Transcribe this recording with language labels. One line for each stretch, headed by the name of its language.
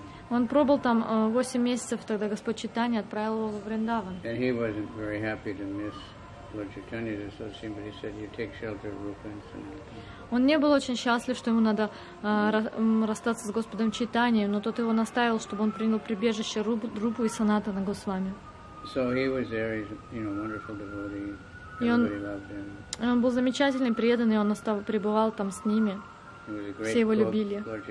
Russian: Он пробыл там 8 месяцев, тогда Господь Чайтанья отправил его в Вриндаван.
English: And he wasn't very happy to miss Lord Chaitanya's association, but he said, "You take shelter of Rupa and Sanatana."
Russian: Он не был очень счастлив, что ему надо расстаться с Господом Чайтаньей, но тот его наставил, чтобы он принял прибежище Рупу и Санатана Госвами.
English: So he was there, he's, you know, wonderful devotee. Everybody loved him.
Russian: И он был замечательный, преданный, он пребывал там с ними. Все его любили.